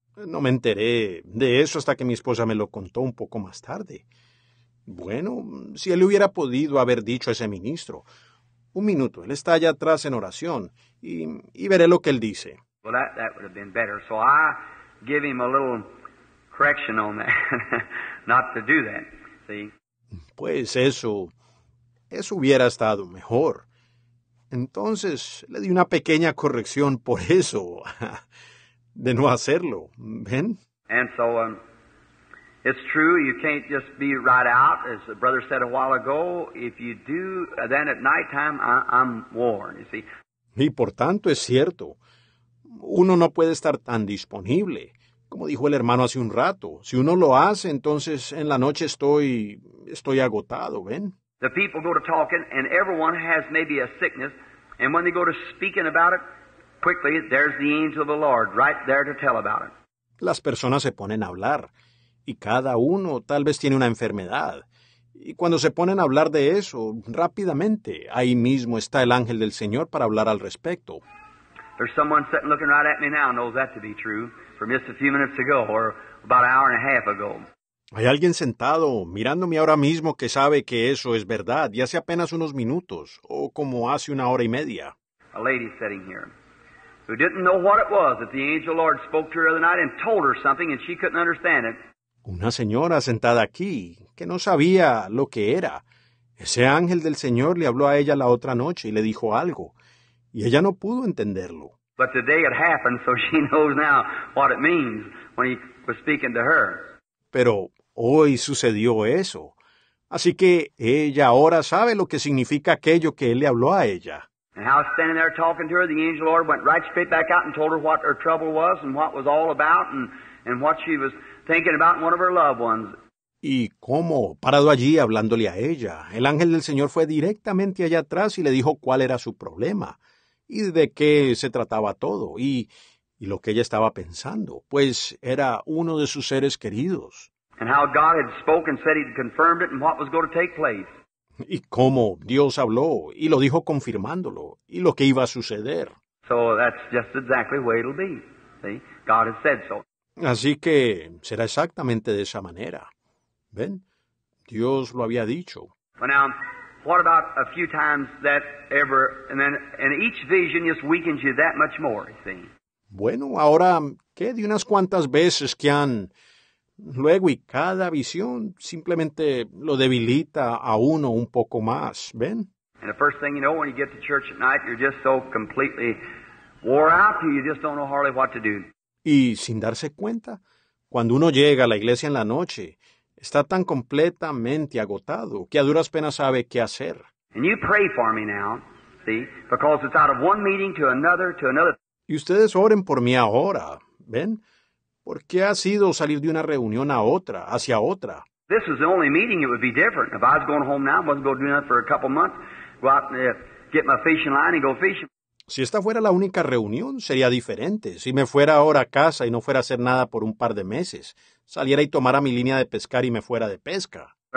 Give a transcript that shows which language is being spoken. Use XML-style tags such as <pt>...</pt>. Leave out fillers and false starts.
<es>No me enteré de eso hasta que mi esposa me lo contó un poco más tarde. Bueno, si él hubiera podido haber dicho a ese ministro, un minuto, él está allá atrás en oración, y veré lo que él dice.</es> <en>Well, that would have been better. So I give him a little correction on that, not to do that, see?</en> <es>Pues eso hubiera estado mejor. Entonces, le di una pequeña corrección por eso, de no hacerlo, ¿ven?</es> <en>And so, it's true, you can't just be right out, as the brother said a while ago. If you do, then at nighttime, I'm worn, you see?</en> <es>Y por tanto, es cierto, uno no puede estar tan disponible. Como dijo el hermano hace un rato, si uno lo hace, entonces en la noche estoy agotado, ¿ven?</es> <en>The people go to talking, and everyone has maybe a sickness, and when they go to speaking about it, quickly, there's the angel of the Lord right there to tell about it.</en> <es>Las personas se ponen a hablar, y cada uno tal vez tiene una enfermedad. Y cuando se ponen a hablar de eso, rápidamente, ahí mismo está el ángel del Señor para hablar al respecto.</es> <en>There's someone sitting looking right at me now knows that to be true. From just a few minutes ago, or about an hour and a half ago.</en> <es>Hay alguien sentado mirándome ahora mismo que sabe que eso es verdad, y hace apenas unos minutos, o como hace una hora y media.</es> <en>A lady sitting here, who didn't know what it was that the angel Lord spoke to her the other night and told her something, and she couldn't understand it.</en> <es>Una señora sentada aquí que no sabía lo que era. Ese ángel del Señor le habló a ella la otra noche y le dijo algo, y ella no pudo entenderlo.</es> <en>But today it happened, so she knows now what it means when he was speaking to her.</en> <es>Pero hoy sucedió eso. Así que ella ahora sabe lo que significa aquello que él le habló a ella.</es> <en>And I was standing there talking to her, the angel Lord went right straight back out and told her what her trouble was and what was all about and what she was thinking about and one of her loved ones.</en> <es>Y cómo, parado allí hablándole a ella, el ángel del Señor fue directamente allá atrás y le dijo cuál era su problema. Y de qué se trataba todo, y lo que ella estaba pensando, pues era uno de sus seres queridos.</es> <en>And how God had spoken, said he'd confirmed it, and what was going to take place.</en> <es>Y cómo Dios habló, y lo dijo confirmándolo, y lo que iba a suceder.</es> <en>So that's just exactly the way it'll be. See, God has said so.</en> <es>Así que será exactamente de esa manera. ¿Ven? Dios lo había dicho.</es> <en>Well, now, what about a few times that ever, and each vision just weakens you that much more, you see?</en> <es>Bueno, ahora, ¿qué de unas cuantas veces que han, luego y cada visión simplemente lo debilita a uno un poco más, ¿ven?</es> <en>And the first thing you know, when you get to church at night, you're just so completely wore out, you just don't know hardly what to do.</en> <es>Y sin darse cuenta, cuando uno llega a la iglesia en la noche, está tan completamente agotado que a duras penas sabe qué hacer.</es> <en>And you pray for me now, see, because it's out of one meeting to another.</en> <es>Y ustedes oren por mí ahora, ¿ven? Porque ha sido salir de una reunión a otra, hacia otra.</es> <en>This is the only meeting it would be different. If I was going home now, I wasn't going to do nothing for a couple months, go out and get my fishing line and go fishing.</en> <es>Si esta fuera la única reunión, sería diferente. Si me fuera ahora a casa y no fuera a hacer nada por un par de meses, saliera y tomara mi línea de pescar y me fuera de pesca.</es>